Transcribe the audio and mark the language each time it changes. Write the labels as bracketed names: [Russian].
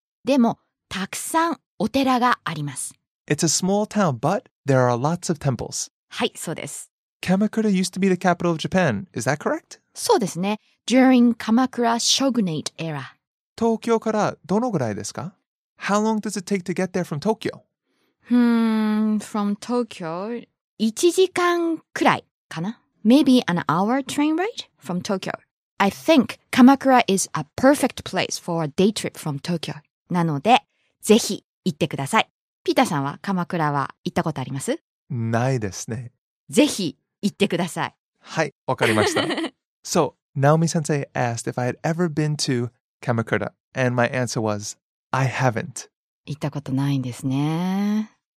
[Japanese] でも、たくさんお寺があります。 [English] It's a small town, but there are lots of temples. [Japanese] はい、そうです。 [English] Kamakura used to be the capital of Japan. Is that correct? [Japanese] そうですね。 [English] During Kamakura Shogunate era. [Japanese] 東京からどのぐらいですか? [English] How long does it take to get there from Tokyo? From Tokyo, [Japanese] 1時間くらいかな。 [English] Maybe an hour train ride from Tokyo. I think Kamakura is a perfect place for a day trip from Tokyo. [Japanese] なので、ぜひ行ってください。ピーターさんは鎌倉は行ったことあります? ないですね。ぜひ行ってください。はい、わかりました。 [English] So, Naomi-sensei asked if I had ever been to Kamakura, and my answer was, I haven't. [Japanese] 行ったことないんですね。